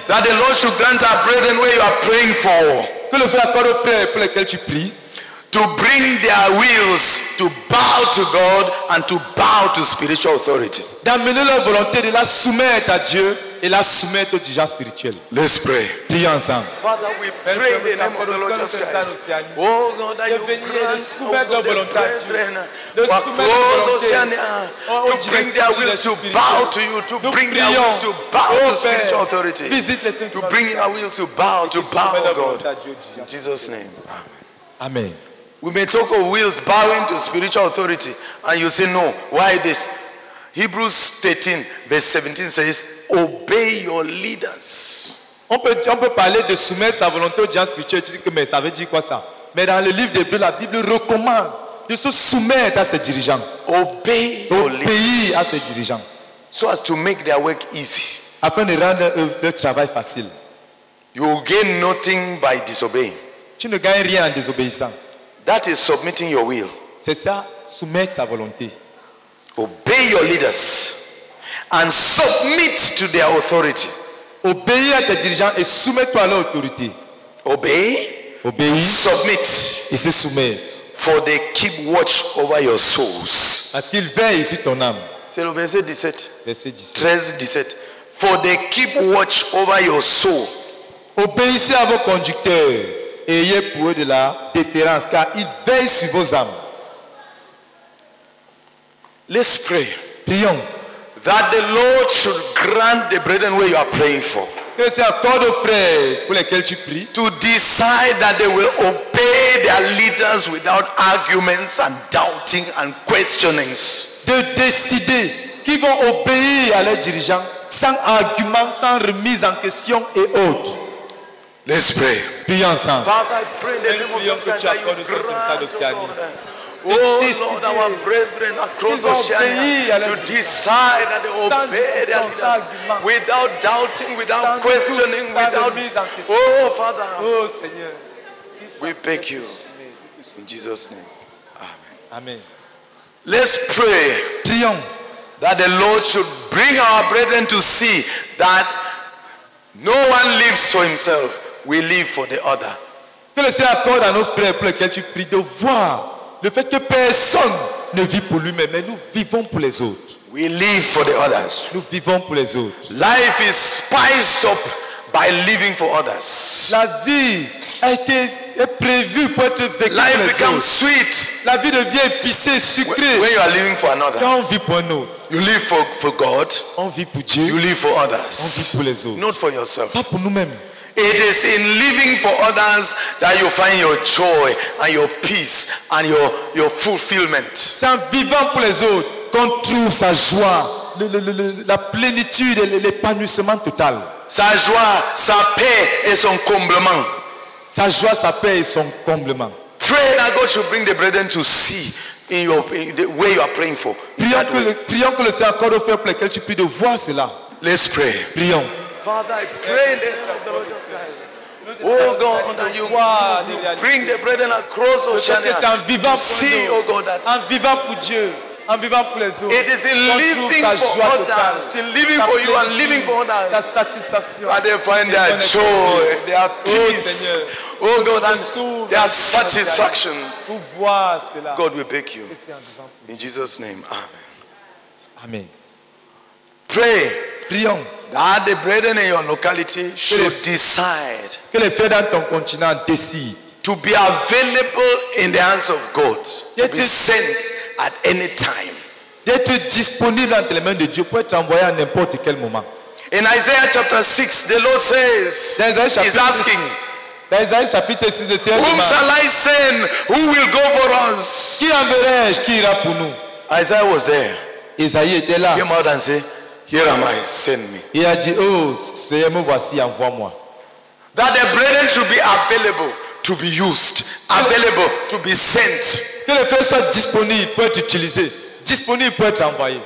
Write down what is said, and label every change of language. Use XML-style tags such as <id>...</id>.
<en>That the Lord should grant our brethren where you are praying for.</en> <fr>Que le frère accorde aux frères pour lesquels tu pries.</fr> <en>To bring their wills to bow to God and to bow to spiritual authority.</en> <fr>D'amener leur volonté de la soumettre à Dieu et la soumettre au dirigeant spirituel.</fr> <en>Let's pray.</en> <fr>Prions ensemble.</fr> <en>Father, we pray in the name of the Lord Jesus Christ. Oh God, that you</en> <fr>venir de soumettre leur volonté à Dieu. De soumettre leur volonté à Dieu.</fr> <en>To bring their wills to bow to you. To bring their wills to bow to spiritual authority.</en> <fr>Visite les saints.</fr> <en>To bring their wills to bow to bow to God. In Jesus' name. Amen. We may talk of wills bowing to spiritual authority and you say no, why this? Hebrews 13 verse 17 says obey your leaders.</en> <fr>On peut parler de soumettre sa volonté au dirigeant spirituel, tu dis que mais ça veut dire quoi ça? Mais dans le livre d'Hébreux, la Bible recommande de se soumettre à ses dirigeants. Obéir à ses dirigeants</fr> <en>so as to make their work easy.</en> <fr>Afin de rendre leur travail facile.</fr> <en>You gain nothing by disobeying.</en> <fr>Tu ne gagnes rien en désobéissant.</fr> <en>That is submitting your will.</en> <fr>C'est ça, soumettre sa volonté.</fr> <en>Obey your leaders and submit to their authority.</en> <fr>Obéis à tes dirigeants et soumets-toi à leur autorité. Obéis.</fr> <en>Submit.</en> <fr>Et se soumettre.</fr> <en>For they keep watch over your souls.</en> <fr>Parce qu'ils veillent sur ton âme. C'est le verset 17. Verset 17.</fr> <en>13, 17. For they keep watch over your soul.</en> <fr>Obéissez à vos conducteurs. Ayez pour eux de la déférence, car ils veillent sur vos âmes.</fr> <en>Let's pray.</en> <fr>Prions.</fr> <en>That the Lord should grant the brethren where you are praying for.</en> <fr>Que c'est à toi de frère pour lesquels tu pries.</fr> <en>To decide that they will obey their leaders without arguments and doubting and questionings.</en> <fr>De décider qu'ils vont obéir à leurs dirigeants sans arguments, sans remise en question et autres.</fr> <en>Let's pray.</en> <fr>Prions ensemble.</fr> <en>Father, I pray in the name of Jesus Christ. Oh Lord, our brethren across Oceania to decide and obey their leaders without doubting, without questioning, without. Oh Father.</en> <fr>Oh Seigneur.</fr> <en>We beg you. In Jesus' name. Amen. Amen. Let's pray.</en> <fr>Prions.</fr> <en>That the Lord should bring our brethren to see that no one lives for himself. We live for the other.</en> <fr>Que le Seigneur accorde à nos frères pour lesquels tu pries de voir le fait que personne ne vit pour lui-même, mais nous vivons pour les autres.</fr> <en>We live for the others.</en> <fr>Nous vivons pour les autres.</fr> <en>Life is spiced up by living for others.</en> <fr>La vie est prévue pour être vécue pour les autres.</fr> <en>Life becomes sweet.</en> <fr>La vie devient épicée, sucrée.</fr> <en>When you are living for another.</en> <fr>Quand on vit pour un autre.</fr> <en>You live for God.</en> <fr>On vit pour Dieu.</fr> <en>You live for others.</en> <fr>On vit pour les autres.</fr> <en>Not for yourself.</en> <fr>Pas pour nous-mêmes.</fr> <en>It is in living for others that you find your joy and your peace and your fulfillment.</en> <fr>C'est en vivant pour les autres qu'on trouve sa joie, la plénitude et l'épanouissement total. Sa joie, sa paix et son comblement. Sa joie, sa paix et son comblement.</fr> <en>Pray that God should bring the brethren to see in your way you are praying for.</en> <fr>Prions que le Seigneur accorde au frère pour lequel tu pries de voir cela.</fr> <en>Let's pray.</en> <fr>Prions.</fr> <en>Father, I pray in the name of the Lord Jesus Christ. Oh God, that you bring the brethren across ocean. See, oh God, that</en> <fr>en vivant pour Dieu, en vivant pour les autres.</fr> <en>It is in living for others, in living for you and living for others. That they find their joy, their peace. Oh God, their satisfaction. God, we beg you. In Jesus' name, amen. Amen. Pray.</en> <fr>Prions.</fr> <en>That the brethren in your locality should decide.</en> <fr>Que les frères dans ton continent décident.</fr> <en>To be available in the hands of God. To be sent at any time.</en> <fr>D'être disponible entre les mains de Dieu pour être envoyé à n'importe quel moment.</fr> <en>In Isaiah chapter 6, the Lord says, he's asking,</en> <fr>dans Isaïe chapitre 6, le Seigneur</fr> <en>whom shall I send? Who will go for us?</en> <fr>Qui enverrai-je? Qui ira pour nous?</fr> <en>Isaiah was there.</en> <fr>Isaïe était là.</fr> <en>He came out and said, here am I, send me.</en> <fr>Il a dit, oh, me voici, envoie-moi.</fr> <en>That the brethren should be available to be used, available to be sent.</en> <fr>Que les frères soient disponibles pour être utilisés, disponibles pour être envoyés.</fr>